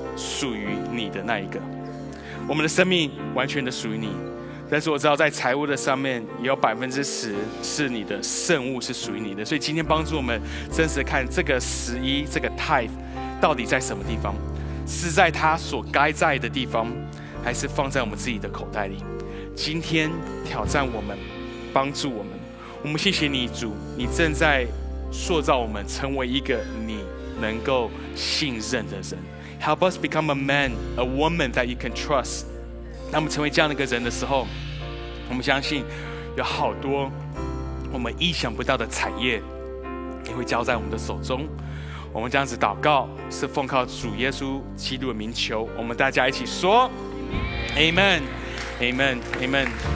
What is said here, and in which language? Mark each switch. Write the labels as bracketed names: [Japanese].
[Chinese] 属于你的那一个，我们的生命完全的属于你，但是我知道在财务的上面也有10%是你的圣物，是属于你的，所以今天帮助我们真实看这个11这个 tithe 到底在什么地方，是在他所该在的地方，还是放在我们自己的口袋里。今天挑战我们，帮助我们，我们谢谢你主，你正在塑造我们成为一个你能够信任的人。 [English] Help us become a man, a woman that you can trust. [Chinese] 当我们成为这样的一个人的时候，我们相信有好多我们意想不到的产业也会交在我们的手中。我们这样子祷告，是奉靠主耶稣基督的名求。我们大家一起说 ，Amen, Amen, Amen。